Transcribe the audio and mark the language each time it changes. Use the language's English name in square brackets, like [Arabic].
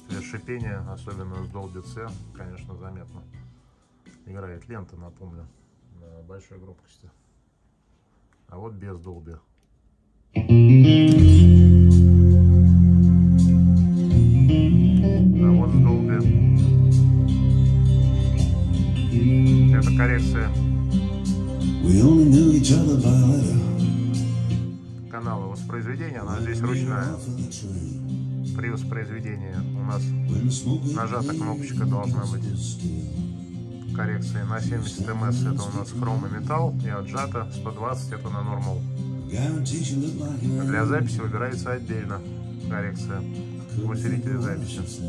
[Russian] Шипение, особенно с Dolby C, конечно, заметно. Играет лента, напомню, на большой громкости. А вот без Dolby. А вот с Dolby. Это коррекция. [English] We only knew each other by letter. [Russian] Канала воспроизведения, она здесь ручная. При воспроизведении у нас нажата кнопочка должна быть коррекция на 70 мс, это у нас хром и металл, и отжата 120, это на нормал. Для записи выбирается отдельно коррекция в усилителе записи.